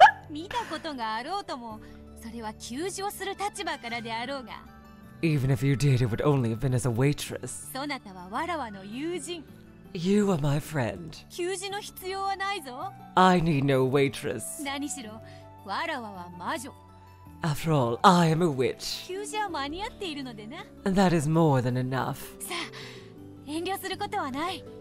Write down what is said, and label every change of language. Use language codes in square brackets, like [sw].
[ja] 見たことがあろうとも、それは給仕をする立場からであろうが。 [en] Even if you did, it would only have been as a waitress. [ja] そなたはわらわの友人。 [en] You are my friend. [ja] 給仕の必要はないぞ。 [en] I need no waitress. [ja] 何しろ、わらわは魔女。 [en] After all, I am a witch. [ja] 給仕は間に合っているのでな。 [en] And that is more than enough. [ja] さあ、遠慮することはない。